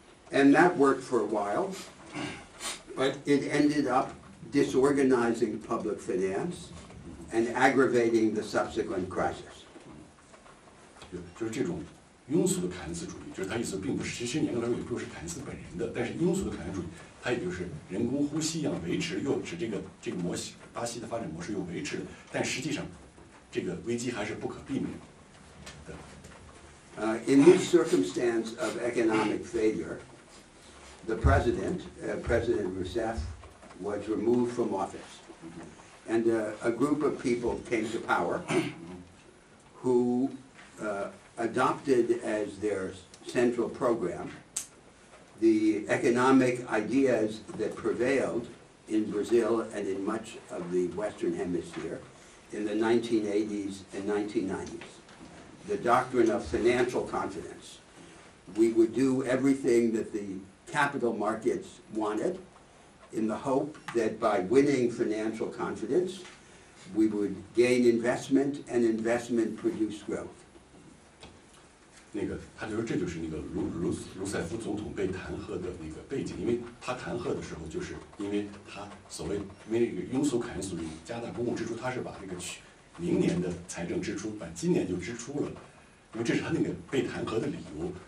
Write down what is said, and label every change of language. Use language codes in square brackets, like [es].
[en] And that worked for a while, but it ended up disorganizing public finance and aggravating the subsequent crisis. [zh] 就是这种庸俗的凯恩斯主义，就是他意思并不是，其实严格来说也不是凯恩斯本人的，但是庸俗的凯恩斯主义，他也就是人工呼吸一样维持，又使这个模型巴西的发展模式又维持了，但实际上。这个危机还是不可避免的。 [en] In this circumstance of economic failure, the president, President Rousseff, was removed from office. And a group of people came to power who adopted as their central program the economic ideas that prevailed in Brazil and in much of the Western Hemisphere. In the 1980s and 1990s, the doctrine of financial confidence. We would do everything that the capital markets wanted in the hope that by winning financial confidence, we would gain investment and investment produce growth. [zh] 那个他就说这就是那个卢塞夫总统被弹劾的那个背景，因为他弹劾的时候就是因为他所谓因为那个庸俗凯恩斯主义加大公共支出，他是把这个去明年的财政支出把今年就支出了，因为这是他那个被弹劾的理由。